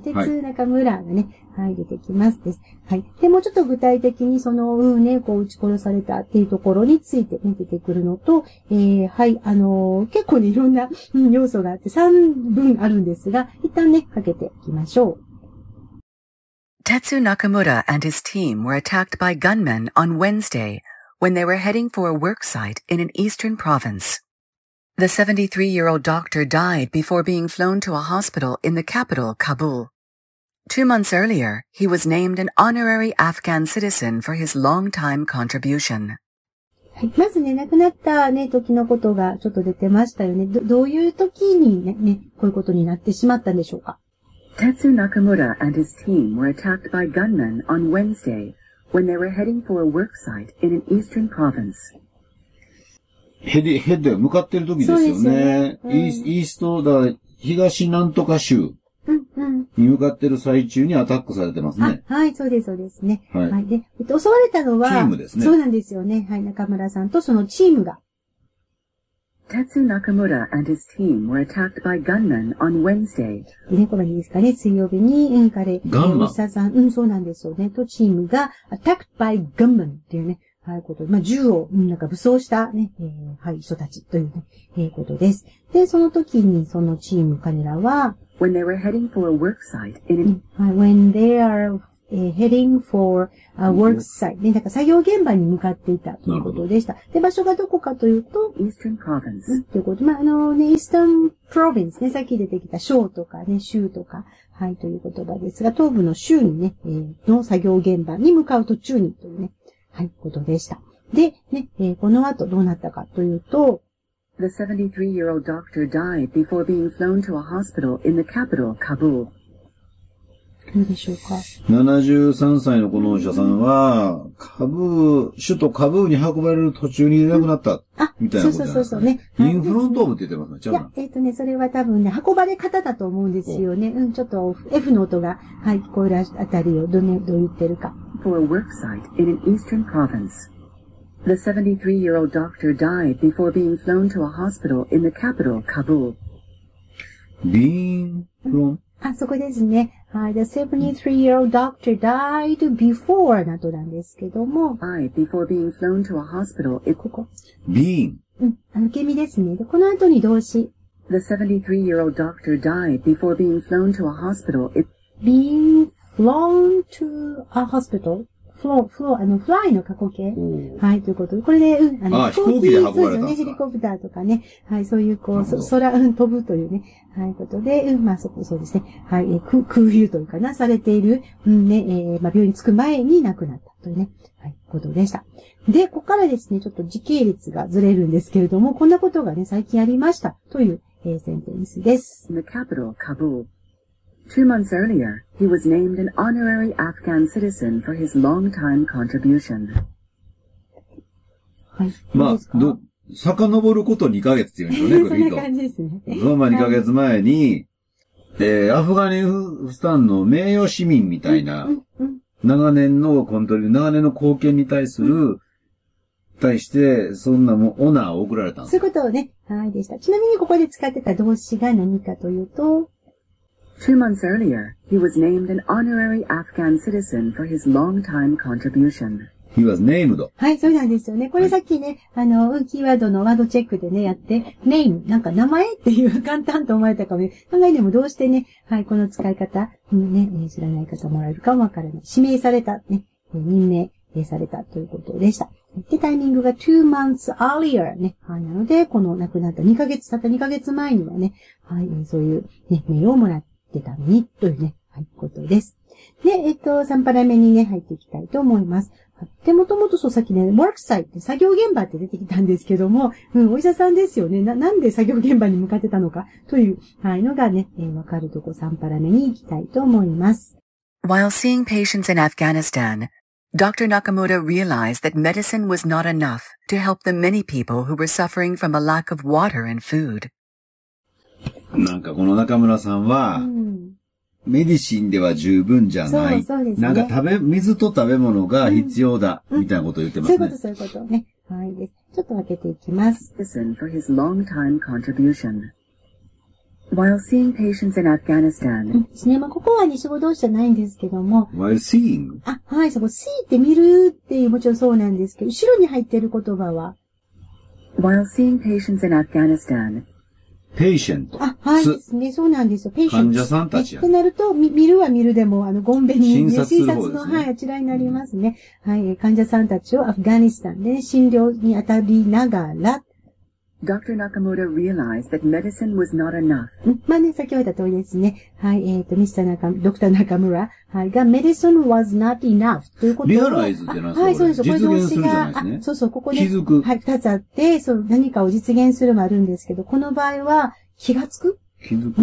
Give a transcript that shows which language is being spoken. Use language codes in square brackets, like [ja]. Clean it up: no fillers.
[ja] 鉄中村がね、はい、はい、出てきますです。はい。で、もうちょっと具体的に、その、うんね、こう、撃ち殺されたっていうところについて、ね、出てくるのと、はい、結構ね、いろんな、要素があって、3分あるんですが、一旦ね、かけていきましょう。 [en] Tetsu Nakamura and his team were attacked by gunmen on Wednesday when they were heading for a work site in an eastern province. The 73-year-old doctor died before being flown to a hospital in the capital, Kabul. 2 months earlier, he was named an honorary Afghan citizen for his long-time contribution. [ja] まずね、亡くなったね、時のことがちょっと出てましたよね。どういう時にね、こういうことになってしまったんでしょうか？ [en] Tetsu Nakamura and his team were attacked by gunmen on Wednesday when they were heading for a work site in an eastern province. [ja] ヘッド、向かってる時ですよね。イースト、だから東なんとか州に向かってる最中にアタックされてますね。はい、そうです、そうですね。はい。で、襲われたのは、チームですね。そうなんですよね。はい、中村さんとそのチームが。 [en] Tetsu Nakamura and his team were attacked by gunmen on Wednesday. [ja] ね、これいいですかね。水曜日に、うん、彼、ガンマン、お医者さん、うん、そうなんですよね。と、チームが、 [en] attacked by gunmen [ja] っていうね、はい、こと。まあ、銃を、うん、なんか武装したね、はい、人たちというね、ことです。で、その時に、そのチーム、彼らは、 [en] when they were heading for a work site in a...、はい、when they are、heading for a work site. [ja] ね、なんか作業現場に向かっていたということでした。で、場所がどこかというと、 [en] Eastern Province。 [ja] ということで、まあ、ね、 [en] Eastern Province [ja] ね、さっき出てきた省とかね、州とか、はい、という言葉ですが、東部の州にね、の作業現場に向かう途中に、というね、はい、ことでした。で、ね、この後どうなったかというと、 [en] The 73-year-old doctor died before being flown to a hospital in the capital, Kabul. [ja] どうでしょうか。 73歳のこのお医者さんは、首都カブーに運ばれる途中にいなくなった、うん、みたいなことじゃないですか。そうそうそうね。インフロントームって言ってますね。ちゃうな。いや、それは多分ね、運ばれ方だと思うんですよね。うん、ちょっと F の音が、はい、聞こえるあたりをどう言ってるか。 [en] For a work site in an eastern province. The 73-year-old doctor died before being flown to a hospital in the capital, Kabul. Being flown?、うん [ja] あそこですね。 [en] はい。The 73-year-old doctor died before [ja] などなんですけども。はい。 [en] before being flown to a hospital. [ja] ここ。 [en] being. [ja] うん。受け身ですね。で、この後に動詞。 [en] The 73-year-old doctor died before being flown to a hospital. being flown to a hospital. flow, fly [ja] の過去形。はい。ということで、これで、うん。飛行機で運ばれたんですか。ヘリコプターとかね。はい。そういう、こう、空、うん、飛ぶというね。はい、ことで、うん、まあ、そうですね。はい、空輸というかな、されている、うんね、まあ、病院に着く前に亡くなった、というね、はい、ことでした。で、ここからですね、ちょっと時系列がずれるんですけれども、こんなことがね、最近ありました、という、センテンスです。 [en] In the capital, Kabul. 2 months earlier, he was named an honorary Afghan citizen for his long-time contribution. [ja] はい、どうですか？遡ること2ヶ月って言うんですよね、これ。そんな感じですね。そのまま2ヶ月前に、アフガニフスタンの名誉市民みたいな、長年のコントリュー、長年の貢献に対して、そんなもオナーを送られたんです。そういうことをね、はいでした。ちなみにここで使ってた動詞が何かというと、 [en] 2 months earlier, he was named an honorary Afghan citizen for his long-time contribution. He was named. [ja] はい、そうなんですよね。これさっきね、はい、キーワードのワードチェックでね、やって、name、なんか名前っていう簡単と思われたかも。考えてもどうしてね、はい、この使い方、うん、ね、知らない方もらえるかもわからない。指名された、ね、任命されたということでした。で、タイミングが [en] 2 months earlier [ja] ね。はい、なので、この亡くなった2ヶ月、たった2ヶ月前にはね、はい、そういう、ね、名をもらってたのに、というね、はい、ことです。で、3パラ目にね、入っていきたいと思います。で、もともとそう、さっきね、 [en] work site [ja] って作業現場って出てきたんですけども、うん、お医者さんですよね。なんで作業現場に向かってたのか、という、はい、のがね、わかるとこ3パラ目に行きたいと思います。 [en] While seeing patients in Afghanistan, Dr. Nakamura realized that medicine was not enough to help the many people who were suffering from a lack of water and food. [ja] なんかこの中村さんは、うんメディシンでは十分じゃない。そうですね。なんか水と食べ物が必要だ、うん、みたいなことを言ってますね。そういうこと、そういうこと。ね。はい。ちょっと開けていきます。 [en] Listen for his long-time contribution. While seeing patients in Afghanistan. [ja] ですね。まあ、ここは日本語同士じゃないんですけども。 [en] While seeing? [ja] あ、はい。そこ、see って見るっていう、もちろんそうなんですけど、後ろに入ってる言葉は。 [en] While seeing patients in Afghanistan. Patient. [ja] あ、はい、ですね。そうなんですよ。 Patient. 患者さんたちや。ってなると、見るは見るでも、ごんべに、ね、診察の、はい、あちらになりますね。うん、はい、患者さんたちをアフガニスタンで、ね、診療に当たりながら。 [en] Dr. Nakamura realized that medicine was not enough. [ja] まあね、先ほど言った通りですね。はい、Dr. [en] Nakamura、はい、が、medicine was not enough [ja] ということを。 realize ってなんですか？はい、そうです。これ動詞が、そうそう、ここで、気づく。はい、二つあって、そう、何かを実現するもあるんですけど、この場合は、気がつく？気づく、